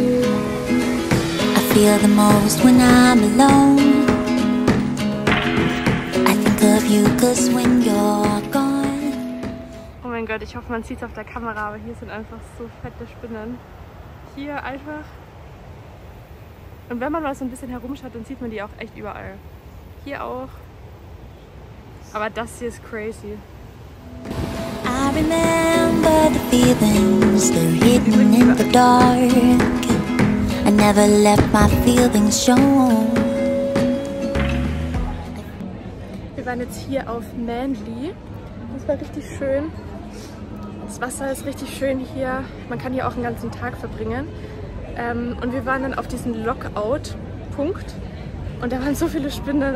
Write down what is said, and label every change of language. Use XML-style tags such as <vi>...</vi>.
<en>I feel the most when I'm alone. I think of you 'cause when you're gone.</en> <de>Oh mein Gott, ich hoffe, man sieht es auf der Kamera, aber hier sind einfach so fette Spinnen. Hier einfach, und wenn man mal so ein bisschen herumschaut, dann sieht man die auch echt überall. Hier auch, aber das hier ist crazy.</de> <en>I remember the feelings, they're hidden in the dark. I never left my feelings shown.</en> <de>Wir waren jetzt hier auf Manly, das war richtig schön. Das Wasser ist richtig schön hier. Man kann hier auch einen ganzen Tag verbringen. Und wir waren dann auf diesem Lockout-Punkt. Und da waren so viele Spinnen.</de>